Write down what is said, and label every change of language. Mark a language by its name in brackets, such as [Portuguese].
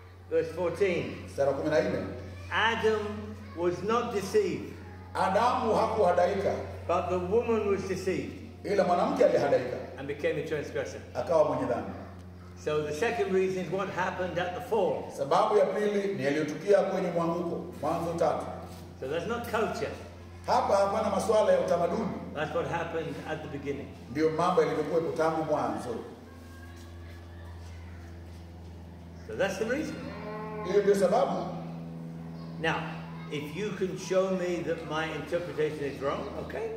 [English] Verse 14. [Swahili] Mstari wa 14. [English] Adam was not deceived. [Swahili] Adamu hakuhadaika. [English] But the woman was deceived. [Swahili] Ila mwanamke alihadaika. [English] And became a transgressor. [Swahili] Akawa mwenye dhambi. [English] So the second reason is what happened at the fall. [Swahili] Sababu ya pili ni yaliyotukia kwenye mwanguko. Mwanzo tatu. [English] So that's not culture. [Swahili] Hapa hapana masuala ya utamaduni. [English] That's what happened at the beginning. [Swahili] Ndio mambo yalivyokuwepo tangu mwanzo. [English] So that's the reason. [Swahili] Hiyo ndio sababu. [English] Now, if you can show me that my interpretation is wrong, okay?